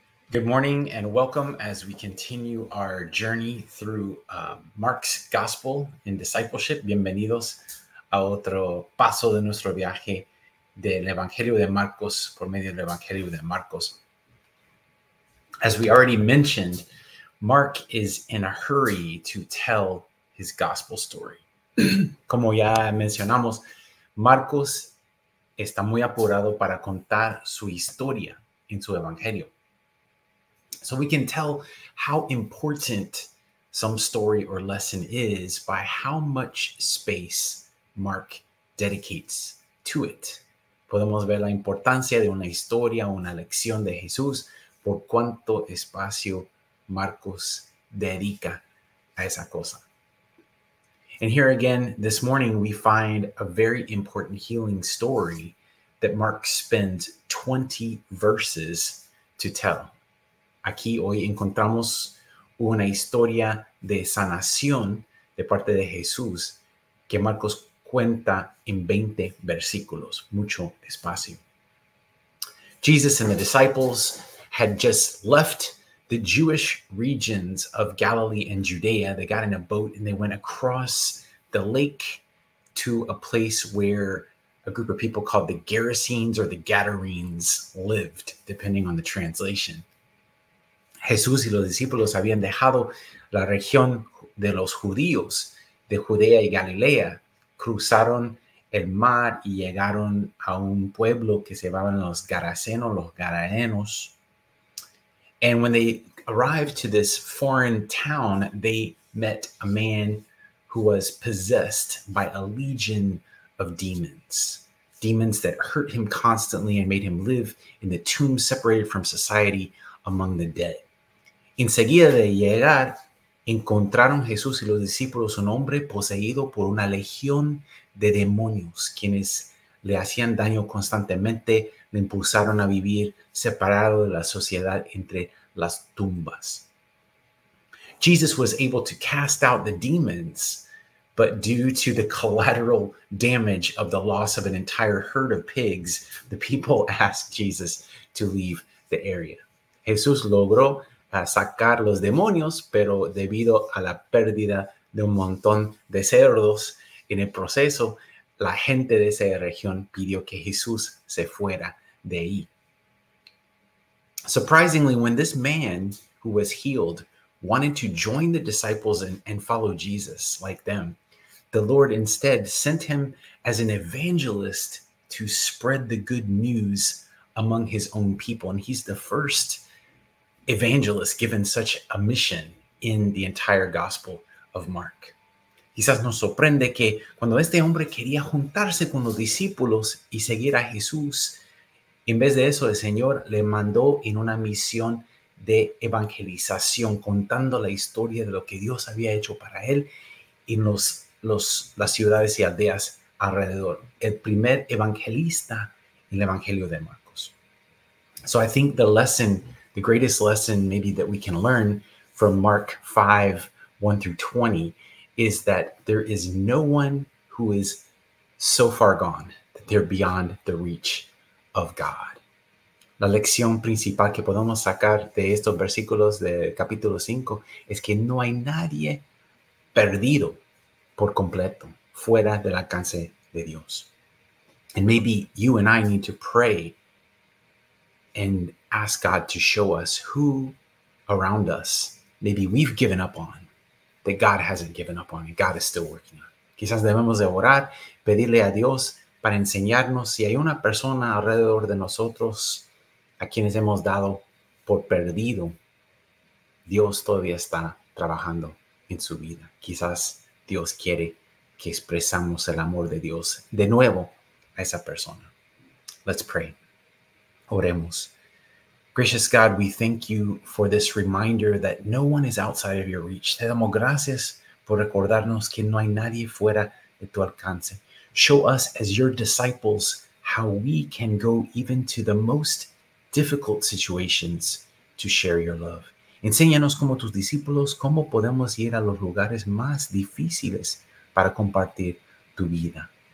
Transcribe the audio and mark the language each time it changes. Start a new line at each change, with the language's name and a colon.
English: Good morning and welcome as we continue our journey through Mark's gospel in discipleship.
Spanish: Bienvenidos a otro paso de nuestro viaje del Evangelio de Marcos por medio del Evangelio de Marcos.
English: As we already mentioned, Mark is in a hurry to tell his gospel story.
Spanish: Como ya mencionamos, Marcos está muy apurado para contar su historia en su Evangelio.
English: So we can tell how important some story or lesson is by how much space Mark dedicates to it.
Spanish: Podemos ver la importancia de una historia, una lección de Jesús, por cuánto espacio Marcos dedica a esa cosa.
English: And here again, this morning, we find a very important healing story that Mark spends 20 verses to tell.
Spanish: Aquí hoy encontramos una historia de sanación de parte de Jesús que Marcos cuenta en 20 versículos, mucho espacio.
English: Jesus and the disciples had just left the Jewish regions of Galilee and Judea. They got in a boat and they went across the lake to a place where a group of people called the Gerasenes or the Gadarenes lived, depending on the translation.
Spanish: Jesús y los discípulos habían dejado la región de los judíos de Judea y Galilea, cruzaron el mar y llegaron a un pueblo que se llamaban los Gerasenos, los Gadarenos.
English: And when they arrived to this foreign town, they met a man who was possessed by a legion of demons. Demons that hurt him constantly and made him live in the tomb separated from society among the dead.
Spanish: Enseguida de llegar, encontraron Jesús y los discípulos un hombre poseído por una legión de demonios, quienes le hacían daño constantemente, le impulsaron a vivir separado de la sociedad entre las tumbas.
English: Jesus was able to cast out the demons, but due to the collateral damage of the loss of an entire herd of pigs, the people asked Jesus to leave the area.
Spanish: Jesús logró a sacar los demonios, pero debido a la pérdida de un montón de cerdos en el proceso, la gente de esa región pidió que Jesús se fuera de ahí.
English: Surprisingly, when this man who was healed wanted to join the disciples and follow Jesus like them, the Lord instead sent him as an evangelist to spread the good news among his own people. And he's the first evangelist given such a mission in the entire gospel of Mark.
Spanish: Quizás nos sorprende que cuando este hombre quería juntarse con los discípulos y seguir a Jesús, en vez de eso, el Señor le mandó en una misión de evangelización, contando la historia de lo que Dios había hecho para él en las ciudades y aldeas alrededor. El primer evangelista en el Evangelio de Marcos.
English: So I think the greatest lesson maybe that we can learn from Mark 5, 1 through 20, is that there is no one who is so far gone that they're beyond the reach of God.
Spanish: La lección principal que podemos sacar de estos versículos de capítulo 5 es que no hay nadie perdido por completo fuera del alcance de Dios.
English: And maybe you and I need to pray and ask God to show us who around us maybe we've given up on, that God hasn't given up on, and God is still working on.
Spanish: Quizás debemos de orar, pedirle a Dios para enseñarnos si hay una persona alrededor de nosotros a quienes hemos dado por perdido. Dios todavía está trabajando en su vida. Quizás Dios quiere que expresamos el amor de Dios de nuevo a esa persona.
English: Let's pray.
Spanish: Oremos.
English: Gracious God, we thank you for this reminder that no one is outside of your reach.
Spanish: Te damos gracias por recordarnos que no hay nadie fuera de tu alcance.
English: Show us as your disciples how we can go even to the most difficult situations to share your love.
Spanish: Enséñanos como tus discípulos cómo podemos ir a los lugares más difíciles para compartir tu vida.